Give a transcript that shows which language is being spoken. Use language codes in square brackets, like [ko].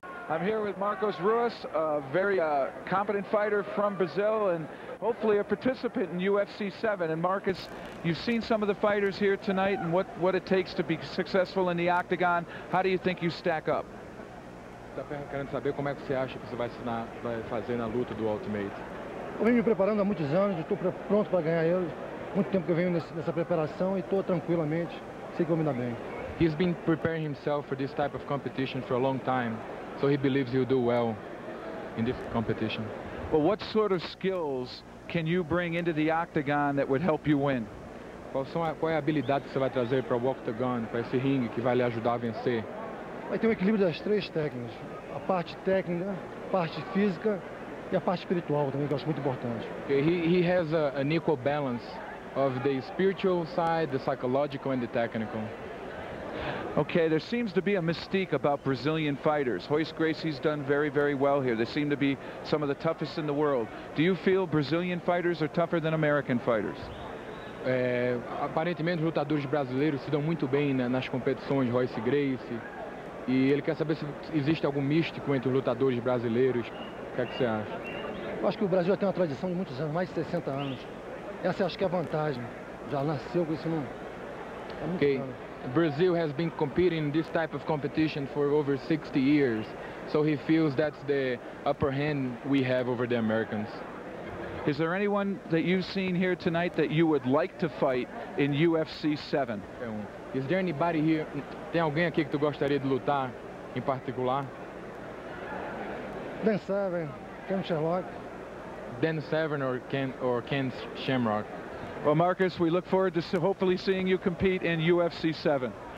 [en] I'm here with Marcos Ruas, a very competent fighter from Brazil and hopefully a participant in UFC 7. And Marcos, you've seen some of the fighters here tonight and what it takes to be successful in the Octagon. How do you think you stack up? [pt] Querendo saber como é que você acha que você vai fazer na luta do Ultimate. Eu venho me preparando há muitos anos, estou pronto para ganhar ele. Muito tempo que eu venho nessa preparação e estou tranquilamente, sei que vou me dar bem. [en] He's been preparing himself for this type of competition for a long time, so he believes he'll do well in this competition. Well, what sort of skills can you bring into the Octagon that would help you win? [pt] Qual é a habilidade que você vai trazer para o Octagon, para esse ringue que vai lhe ajudar a vencer? Vai ter um equilíbrio das três técnicas, a parte técnica, a parte física e a parte espiritual também, que eu acho muito importante. [en] He has an equal balance of the spiritual side, the psychological and the technical. Okay, there seems to be a mystique about Brazilian fighters. Royce Gracie's done very, very well here. They seem to be some of the toughest in the world. Do you feel Brazilian fighters are tougher than American fighters? [pt] Aparentemente, os lutadores brasileiros se dão muito bem nas competições, Royce Gracie. E ele quer saber se existe algum místico entre os lutadores brasileiros. O que é que você acha? Eu acho que o Brasil já tem uma tradição de muitos anos, mais de 60 anos. Essa eu acho que é a vantagem. Já nasceu com isso, não. [en] Okay. Brazil has been competing in this type of competition for over 60 years. So he feels that's the upper hand we have over the Americans. Is there anyone that you've seen here tonight that you would like to fight in UFC 7? Is there anybody here? [pt] Tem alguém aqui que tu gostaria de lutar em particular? Dan Severn, Ken Shamrock. [en] Dan Severn or Ken Shamrock. Well, Marcos, we look forward to hopefully seeing you compete in UFC 7.